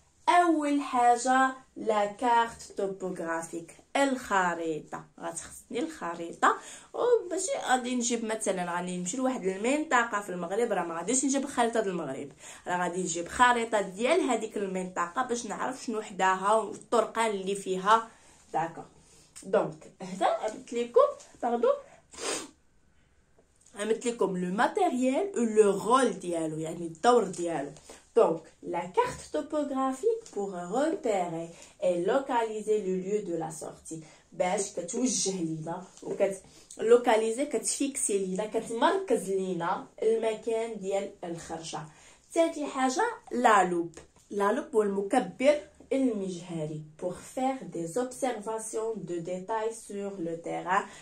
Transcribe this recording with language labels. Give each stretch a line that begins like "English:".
Arabic: اول حاجه
French: لا كارت توبوغرافيك
Arabic: الخريطه، غتخصني الخريطه وباش غادي نجيب مثلا غادي نمشي لواحد المنطقه في المغرب، راه ما غاديش نجيب خريطه المغرب، راه غادي نجيب خريطه ديال هذيك المنطقه باش نعرف شنو حداها والطرق اللي فيها. داكا دونك هذا قلت لكم باردو قلت لكم
French: لو ماتيريال و لو رول
Arabic: ديالو يعني الدور ديالو.
French: Donc, la carte topographique pour repérer et localiser le lieu de la sortie.
Arabic: باش كتوجه لينا و كتلوكاليزي كتفيكسي لينا كتمركز لينا المكان ديال الخرجة. ثاني حاجة لا لوب، لا لوب هو المكبر المجهري
French: pour faire des observations de détail sur le terrain.